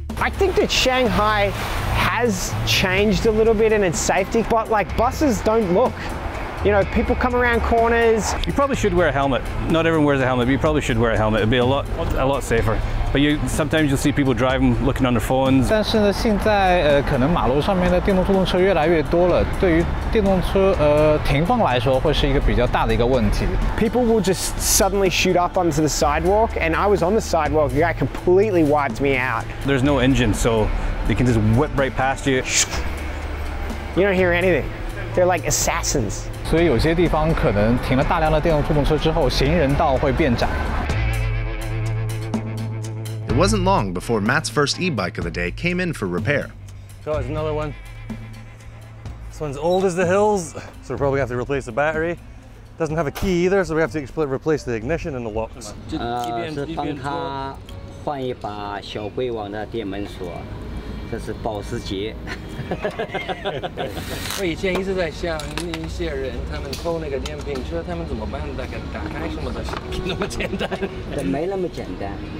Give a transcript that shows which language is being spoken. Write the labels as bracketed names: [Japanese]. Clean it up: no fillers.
[English] I think that Shanghai has changed a little bit in its safety, but like buses don't look. You know, people come around corners. You probably should wear a helmet. Not everyone wears a helmet, but you probably should wear a helmet. It'd be a lot safer. But sometimes you'll see people driving, looking on their phones. [Chinese] 但是呢，现在可能马路上面的电动出动车越来越多了，对于电动车停放来说，会是一个比较大的一个问题。 [English] People will just suddenly shoot up onto the sidewalk, and I was on the sidewalk. The guy completely wiped me out. There's no engine, so they can just whip right past you. You don't hear anything. They're like assassins. [Chinese] 所以有些地方可能停了大量的电动出动车之后，行人道会变窄。 [English] It wasn't long before Matt's first e-bike of the day came in for repair. Got another one. This one's old as the hills, so we're probably going to have to replace the battery. Doesn't have a key either, so we have to replace the ignition and the locks. [Chinese] 是帮他换一把小龟王的电门锁，这是保时捷。我以前一直在想，那些人他们偷那个电瓶车，他们怎么办？打开什么的，那么简单？没那么简单。